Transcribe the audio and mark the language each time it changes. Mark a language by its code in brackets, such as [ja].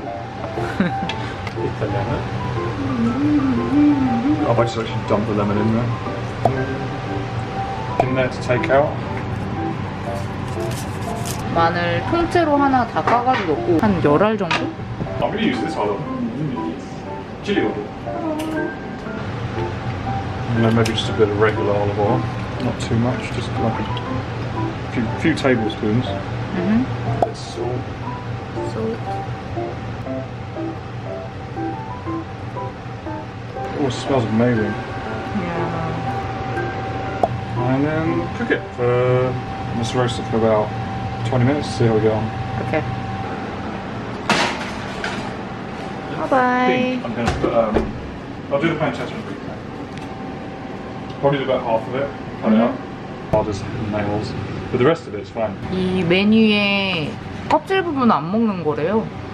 [en] I'll just actually dump the lemon in there. In there to take out. [ko] 마늘 통째로 하나 다 까가지고 넣고 한 열 알 정도? [en] I'm going to use this olive. Chili oil. And then maybe just a bit of regular olive oil. not too much, just like a few tablespoons. Mm-hmm. A bit of salt. Oh, it smells amazing. Yeah. And then cook it for, let's roast it for about 20 minutes to see how we get on. Okay. Bye. I'm gonna put, I'll do the pancetta and recap. Probably do about half of it, cut it up. I'll just have nails. But the rest of it is fine. [ko] 이 메뉴에 껍질 부분 안 먹는 거래요.